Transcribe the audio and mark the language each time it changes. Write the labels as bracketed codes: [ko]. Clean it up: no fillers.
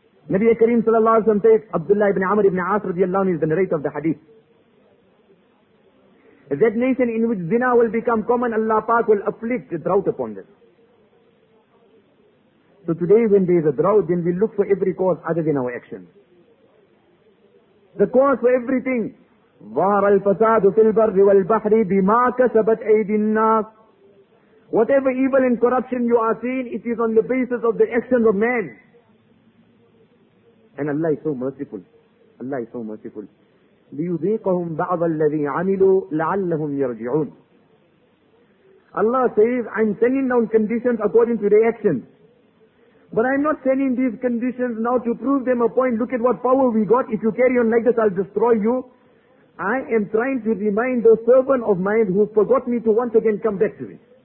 [en] Nabi Kareem sallallahu alayhi wa sallam says, Abdullah ibn Amr ibn As radiallahu anhu is the narrator of the hadith. That nation in which zina will become common, Allah Pak will afflict a drought upon them. So today when there is a drought, then we look for every cause other than our action. The cause for everything, [ar] ظهر الفساد في البر والبحر بما كسبت أيدي الناس. [en] Whatever evil and corruption you are seeing, it is on the basis of the actions of man. And Allah is so merciful. Allah is so merciful. [ar] ليذيقهم بعض الذي عملوا لعلهم يرجعون. [en] Allah says, I'm sending down conditions according to the actions. But I'm not sending these conditions now to prove them a point. Look at what power we got. If you carry on like this, I'll destroy you. I am trying to remind the servant of mine who forgot me to once again come back to me.